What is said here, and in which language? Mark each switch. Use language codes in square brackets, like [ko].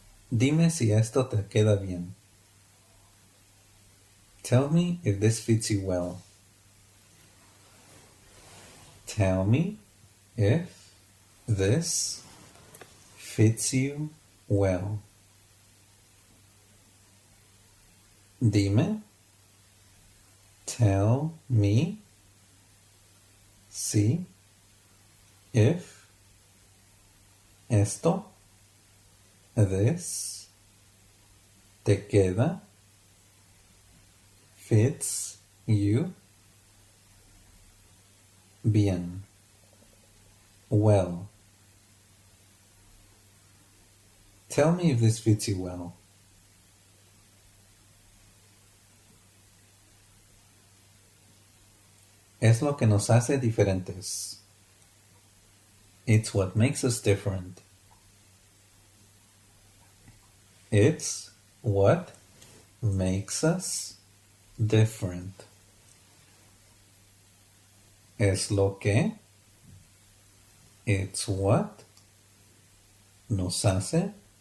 [es] Dime si esto te queda bien. [en] Tell me if this fits you well. Tell me if this fits you well. [es] Dime, [en] tell me, [es] si, [en] if, [es] esto, [en] this, [es] te queda, [en] fits you, [es] bien, [en] well. Tell me if this fits you well. [es] Es lo que nos hace diferentes. [en] It's what makes us different. It's what makes us different. [es] Es lo que. [en] It's what [es] nos hace.